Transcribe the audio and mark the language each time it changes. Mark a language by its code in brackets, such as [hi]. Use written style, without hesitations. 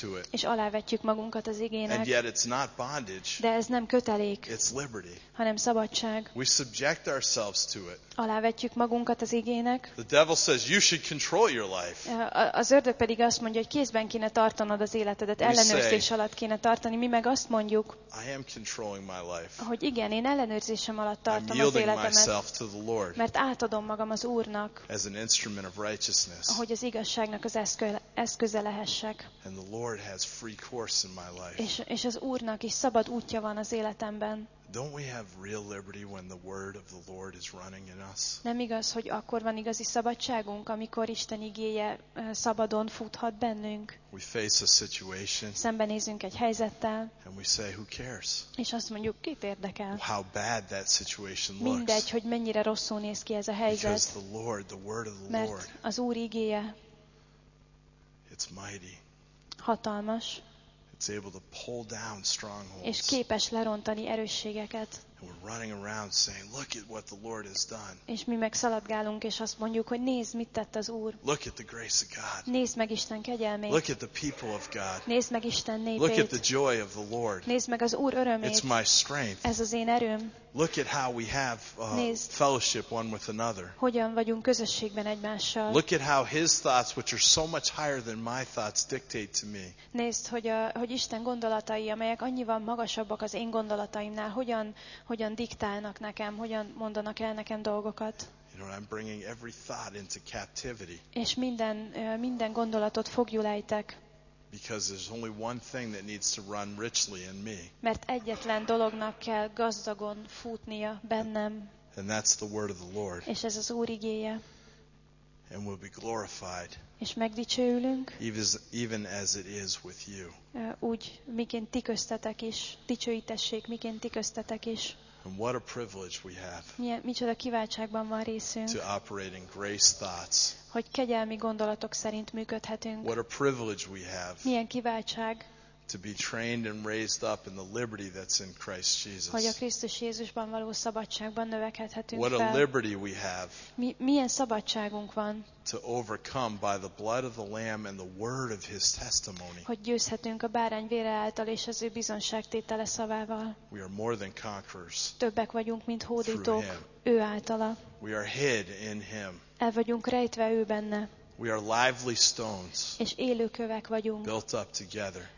[hu] És alávetjük magunkat az igének. De ez nem kötelék, hanem szabadság. [en] We subject ourselves to it. [hu] Alávetjük magunkat az igének. [en] The devil says you should control your life. [hu] Az ördög pedig azt mondja, hogy kézben kéne tartanod az életedet, ellenőrzés alatt kéne tartani. Mi meg azt mondjuk, [en] I am controlling my life. [hu] Hogy igen, én ellenőrzésem alatt tartom az életemet, mert átadom magam az Úrnak, [en] as an instrument of righteousness. [hu] Hogy az igazságnak az eszköze lehessek. [en] And the Lord has free course in my life. [hu] És az Úrnak is szabad útja van az életemben. [en] Don't we have real liberty when the word of the Lord is running in us? [hu] Nem igaz, hogy akkor van igazi szabadságunk, amikor Isten igéje szabadon futhat bennünk. [en] We face a situation. [hu] Szembenézünk egy helyzettel. [en] And we say, who cares? [hu] És azt mondjuk, kit érdekel? [en] How bad that situation looks. [hu] Mindegy, hogy mennyire rosszul néz ki ez a helyzet. [en] Because the Lord, the word of the [hu] Mert [en] Lord. [hu] Az Úr igéje. [en] It's mighty. [hu] Hatalmas. [en] It's able to pull down strongholds. [hu] És képes lerontani erősségeket. [en] And we're running around saying, look at what the Lord has done. [hu] És mi megszaladgálunk, és azt mondjuk, hogy nézd, mit tett az Úr. [en] Look at the grace of God. [hu] Nézd meg Isten kegyelmét. [en] Look at the people of God. [hu] Nézd meg Isten népét. [en] Look at the joy of the Lord. [hu] Nézd meg az Úr örömét. [en] It's my strength. [hu] Ez az én erőm. [en] Look at how we have fellowship one with another. [hu] Hogyan vagyunk közösségben egymással. [en] Look at how his thoughts, which are so much higher than my thoughts, dictate to me. [hu] Nézd, hogy Isten gondolatai, amelyek annyival magasabbak az én gondolataimnál, hogyan diktálnak nekem, hogyan mondanak el nekem dolgokat. [en] I'm bringing every thought into captivity. [hu] És minden gondolatot foglyul ejtek. [en] Because there's only one thing that needs to run richly in me. [hu] Mert egyetlen dolognak kell gazdagon futnia bennem. [en] And that's the word of the Lord. [hu] És ez az Úr igéje. [en] And we'll be glorified. [hu] És megdicsőülünk. [en] Even as it is with you. [hu] Úgy, miként ti köztetek is. Dicsőítessék, miként ti köztetek is. [en] And what a privilege we have. [hu] Micsoda kiváltságban van részünk. [en] To operate in grace thoughts. [hu] Hogy kegyelmi gondolatok szerint működhetünk. [en] What a privilege we have. [hu] Milyen kiváltság. [en] To be trained and raised up in the liberty that's in Christ Jesus. [hu] Hogy a Krisztus Jézusban való szabadságban növekedhetünk fel. [en] What a liberty we have. [hu] Milyen szabadságunk van. [en] To overcome by the blood of the Lamb and the word of His testimony. [hu] Hogy győzhetünk a bárány vére által és az ő bizonságtétele szavával. [en] We are more than conquerors. [hu] Többek vagyunk, mint hódítók ő általa. [en] We are hid in Him. [hu] El vagyunk rejtve ő benne. [en] We are lively stones. [hu] És élő kövek vagyunk. [en] Built up together.